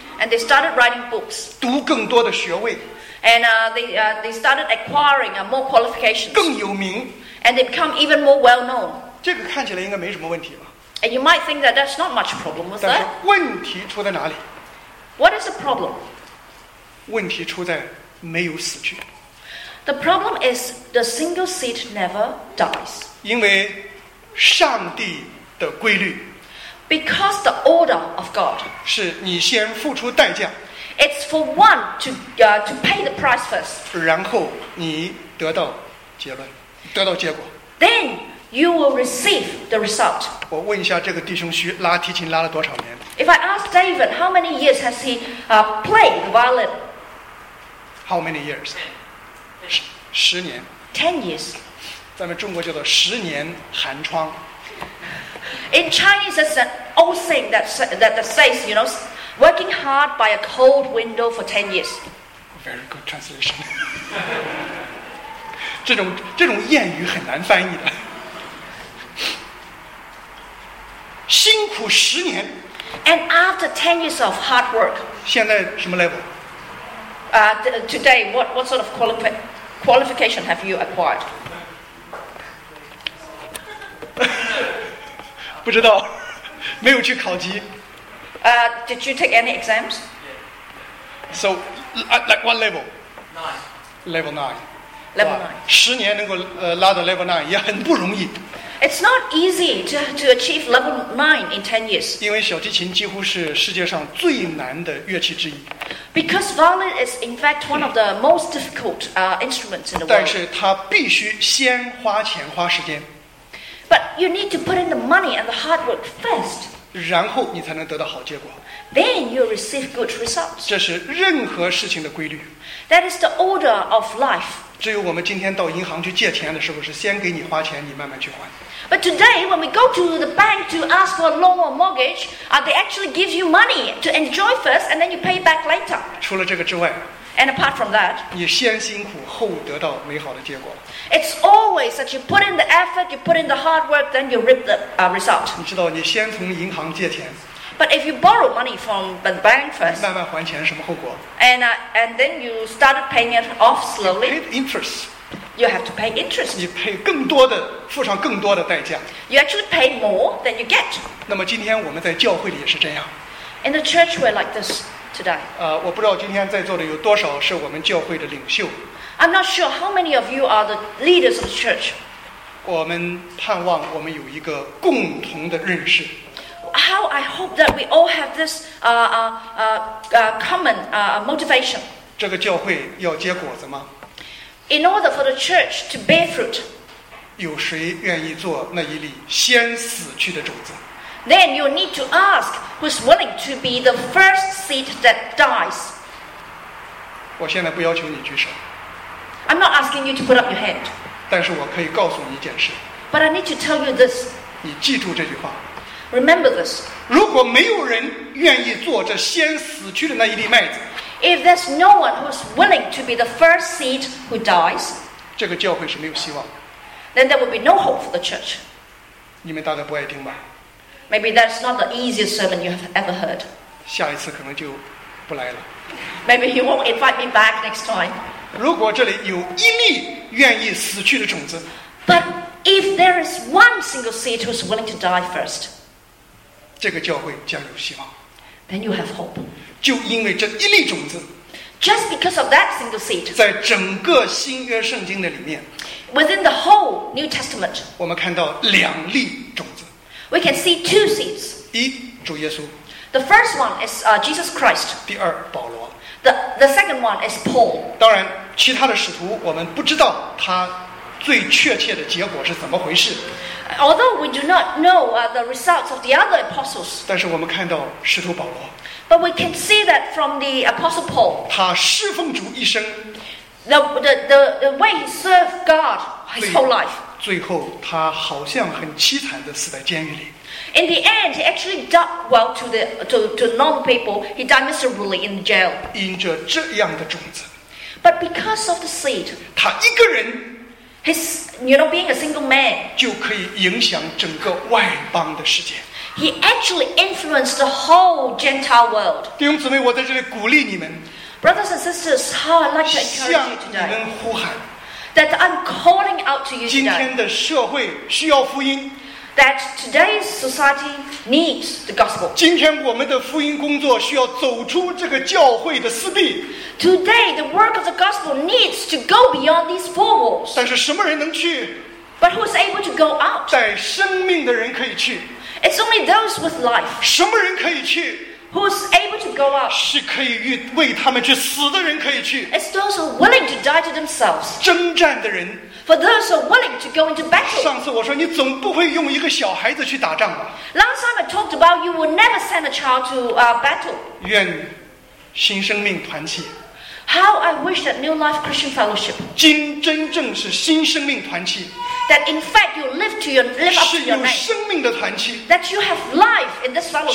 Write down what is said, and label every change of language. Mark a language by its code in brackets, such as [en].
[en] And they started writing books. [zh] 读更多的学位。 [en] And they started acquiring more qualifications. [zh] 更有名。 [en] And they become even more well known. [zh] 这个看起来应该没什么问题吧。 [en] And you might think that that's not much problem, was that? [zh] 但是问题出在哪里？ [en] What is the problem? [zh] 问题出在没有死去。 [en] The problem is the single seed never dies. [zh] 因为上帝的规律 [en] ，because the order of God [zh] 是你先付出代价 [en] ，it's for one to pay the price first， [zh] 然后你得到结论，得到结果 [en] ，then you will receive the result。 [zh] 我问一下这个弟兄徐拉提琴拉了多少年 [en] ？If I ask David how many years has he played the violin？ How many years？ [zh] 十年 [en] ？10 years。 [zh] 咱们中国叫做十年寒窗。 [en] In Chinese, there's an old saying that says, you know, working hard by a cold window for 10 years. Very good translation. [zh] 这种谚语很难翻译的。辛苦十年。 [en] And after 10 years of hard work. [zh] 现在什么 level? [en] Today, what sort of qualification have you acquired? [zh] 不知道，没有去考级。 [en] Did you take any exams? So, like what level? Nine. Level nine. Level nine. [zh] 十年能够拉到 [en] level nine [zh] 也很不容易。 [en] It's not easy to achieve level nine in 10 years. [zh] 因为小提琴几乎是世界上最难的乐器之一。 [en] Because violin is in fact one of the most difficult instruments in the world. [zh] 但是它必须先花钱花时间。 [en] But you need to put in the money and the hard work first. [zh] 然后你才能得到好结果。 [en] Then you receive good results. [zh] 这是任何事情的规律。 [en] That is the order of life. [zh] 只有我们今天到银行去借钱的时候，是先给你花钱，你慢慢去还。 [en] But today, when we go to the bank to ask for a loan or mortgage, they actually give you money to enjoy first, and then you pay back later. [zh] 除了这个之外。 [en] And apart from that, [zh] 你先辛苦后得到美好的结果。 [en] It's always that you put in the effort, you put in the hard work, then you reap the result. [zh] 你知道，你先从银行借钱。 [en] But if you borrow money from the bank first, [zh] 慢慢还钱什么后果 [en] ？And then you started paying it off slowly. You pay interest. You have to pay interest. [zh] 你赔更多的，付上更多的代价。 [en] You actually pay more than you get. [zh] 那么今天我们在教会里也是这样。 [en] In the church, we're like this. [zh] 我不知道今天在座的有多少是我们教会的领袖。 [en] I'm not sure how many of you are the leaders of the church. [zh] 我们盼望我们有一个共同的认识。 [en] How I hope that we all have this common motivation. [zh] 这个教会要结果子吗？ [en] In order for the church to bear fruit, [zh] 有谁愿意做那一粒先死去的种子？ [en] Then you need to ask who's willing to be the first seed that dies. [zh] 我现在不要求你举手。 [en] I'm not asking you to put up your hand. [zh] 但是我可以告诉你一件事。 [en] But I need to tell you this. [zh] 你记住这句话。 [en] Remember this. [zh] 如果没有人愿意做这先死去的那一粒麦子。 [en] If there's no one who's willing to be the first seed who dies, [zh] 这个教会是没有希望的。 [en] Then there will be no hope for the church. [zh] 你们大概不爱听吧。 [en] Maybe that's not the easiest sermon you have ever heard. [zh] 下一次可能就不来了。 [en] Maybe you won't invite me back next time. [zh] 如果这里有一粒愿意死去的种子。 [en] But if there is one single seed who's willing to die first, [zh] 这个教会将有希望。 [en] Then you have hope. [zh] 就因为这一粒种子。 [en] Just because of that single seed. [zh] 在整个新约圣经的里面。 [en] Within the whole New Testament. [zh] 我们看到两粒种子。 [en] We can see two seeds. [zh] 一，主耶稣。 [en] The first one is Jesus Christ. [zh] 第二，保罗。 [en] The second one is Paul. [zh] 当然，其他的使徒我们不知道他最确切的结果是怎么回事。 [en] Although we do not know the results of the other apostles, [zh] 但是我们看到使徒保罗。 [en] But we can see that from the apostle Paul. [zh] 他侍奉主一生。 [en] The way he served God his whole life. [zh] 最后他好像很凄惨的死在监狱里。 [en] In the end, he actually died well to normal people. He died miserably in jail. [zh] 因着这样的种子。 [en] But because of the seed. [zh] 他一个人。 [en] Being a single man, [zh] 就可以影响整个外邦的世界。 [en] He actually influenced the whole Gentile world. [zh] 弟兄姊妹，我在这里鼓励你们。 [en] Brothers and sisters, how I'd like to encourage you today. [zh] 向你们呼喊。 [en] That I'm calling out to you today. [zh] 今天的社会需要福音。 [en] That today's society needs the gospel. [zh] 今天我们的福音工作需要走出这个教会的四壁。 [en] Today, the work of the gospel needs to go beyond these four walls. [zh] 但是什么人能去？ [en] But who's able to go out? [zh] 带生命的人可以去。 [en] It's only those with life. [zh] 什么人可以去？ [en] Who's able to go out? [zh] 是可以为他们去死的人可以去。 [en] It's those who are willing to die to themselves. [zh] 征战的人。 [en] For those who are willing to go into battle. [zh] 上次我说你总不会用一个小孩子去打仗吧？ [en] Last time I talked about you will never send a child to battle. [zh] 愿新生命团契。 [en] How I wish that New Life Christian Fellowship. [zh] 今真正是新生命团契。 [en] That in fact you live to your life. [zh] 是有生命的团契。 [en] That you have life in this fellowship.